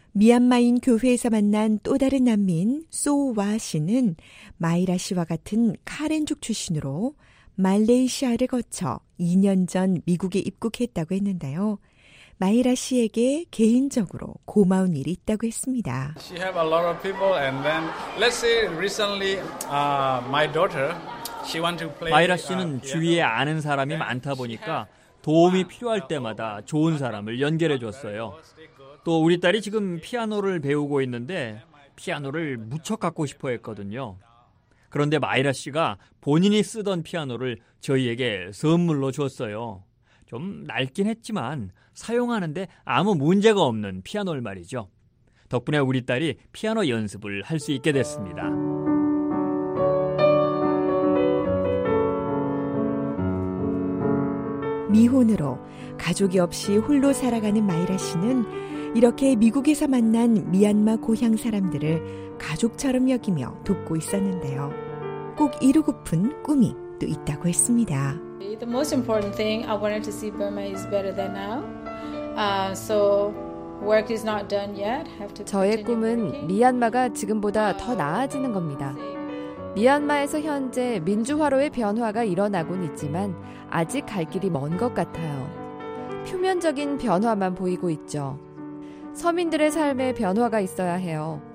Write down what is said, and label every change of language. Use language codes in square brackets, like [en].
[ko] 미얀마인 교회에서 만난 또 다른 난민 소와 씨는 마이라 씨와 같은 카렌족 출신으로 말레이시아를 거쳐 2년 전 미국에 입국했다고 했는데요. 마이라 씨에게 개인적으로 고마운 일이 있다고 했습니다. [en] She have a lot of people and then let's say recently my daughter [ko] 마이라 씨는 주위에 아는 사람이 많다 보니까 도움이 필요할 때마다 좋은 사람을 연결해 줬어요. 또 우리 딸이 지금 피아노를 배우고 있는데 피아노를 무척 갖고 싶어 했거든요. 그런데 마이라 씨가 본인이 쓰던 피아노를 저희에게 선물로 줬어요. 좀 낡긴 했지만 사용하는데 아무 문제가 없는 피아노를 말이죠. 덕분에 우리 딸이 피아노 연습을 할 수 있게 됐습니다. 미혼으로 가족이 없이 홀로 살아가는 마이라 씨는 이렇게 미국에서 만난 미얀마 고향 사람들을 가족처럼 여기며 돕고 있었는데요. 꼭 이루고픈 꿈이 또 있다고 했습니다. [en] The most important thing I wanted to see Burma is better than now. So work is not done yet. Have to. [ko] 저의 꿈은 미얀마가 지금보다 더 나아지는 겁니다. 미얀마에서 현재 민주화로의 변화가 일어나곤 있지만 아직 갈 길이 먼 것 같아요. 표면적인 변화만 보이고 있죠. 서민들의 삶에 변화가 있어야 해요.